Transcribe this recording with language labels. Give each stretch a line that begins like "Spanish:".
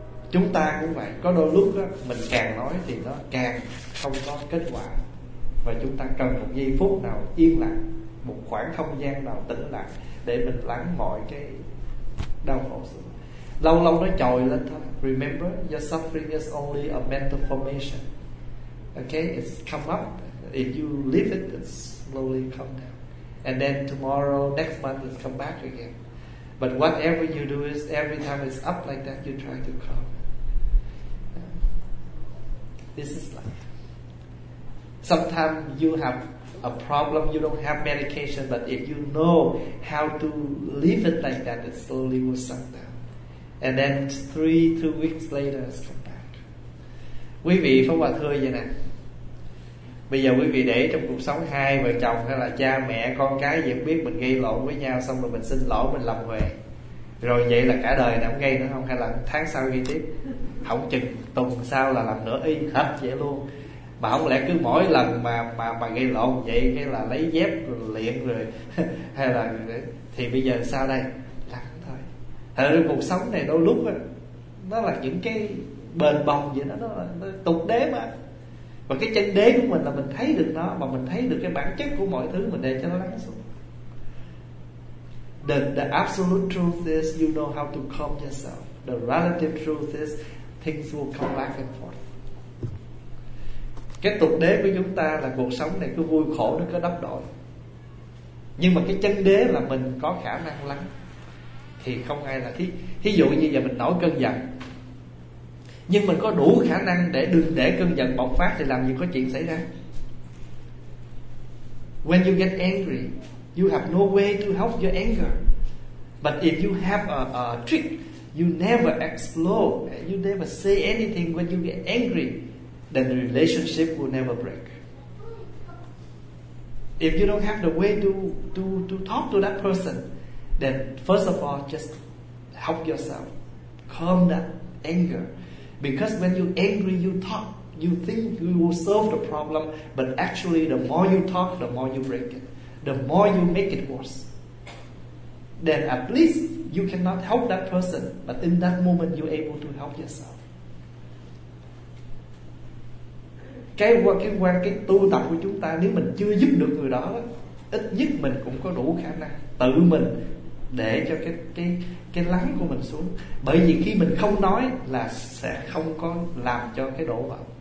Vietnamese: Chúng ta cũng vậy, có đôi lúc đó, mình càng nói thì nó càng không có kết quả. Và chúng ta cần một giây phút nào yên lặng, một khoảng không gian nào tĩnh lặng, để mình lắng mọi cái đau khổ xuống. Lâu lâu nó trồi lên thôi.
English: Remember, your suffering is only a mental formation. Okay, it's come up. If you leave it, it's slowly come down. And then tomorrow, next month, it's come back again. But whatever you do is, every time it's up like that, you try to calm. This is life. Sometimes you have a problem, you don't have medication, but if you know how to leave it like that, it slowly will suck down. And then two weeks later, it's come back.
Vietnamese: Quý vị Pháp Hòa thưa vậy nè. Bây giờ quý vị để trong cuộc sống hai vợ chồng hay là cha mẹ con cái gì cũng biết mình gây lộn với nhau, xong rồi mình xin lỗi, mình làm huề. Rồi vậy là cả đời này không gây nữa không? Hay là tháng sau gây tiếp? Không chừng tuần sau là làm nữa y hết vậy luôn. Mà không lẽ cứ mỗi lần mà gây lộn vậy hay là lấy dép rồi liệm rồi hay là thì bây giờ sao đây? Lặng thôi. Thật ra cuộc sống này đôi lúc đó, nó là những cái bền bồng vậy đó, nó tục đế mà. Và cái chân đế của mình là mình thấy được nó, mà mình thấy được cái bản chất của mọi thứ, mình để cho nó lắng xuống.
English: The absolute truth is you know how to calm yourself. The relative truth is things will come back and forth.
Vietnamese: Cái tục đế của chúng ta là cuộc sống này cứ vui khổ nó cứ đắp đổi. Nhưng mà cái chân đế là mình có khả năng lắng. Thì không ai là thí dụ như giờ mình nổi cơn giận, nhưng mình có đủ khả năng để đừng để cơn giận bộc phát thì làm gì có chuyện xảy ra.
English: When you get angry, you have no way to help your anger. But if you have a trick, you never explode, you never say anything when you get angry, then the relationship will never break. If you don't have the way to talk to that person, then first of all, just help yourself calm that anger. Because when you angry, you talk, you think you will solve the problem, but actually the more you talk, the more you break it, the more you make it worse. Then at least you cannot help that person, but in that moment you're able to help yourself.
Vietnamese: Cái tu tập của chúng ta, nếu mình chưa giúp được người đó, ít nhất mình cũng có đủ khả năng tự mình để cho cái lắng của mình xuống. Bởi vì khi mình không nói là sẽ không có làm cho cái đổ vỡ.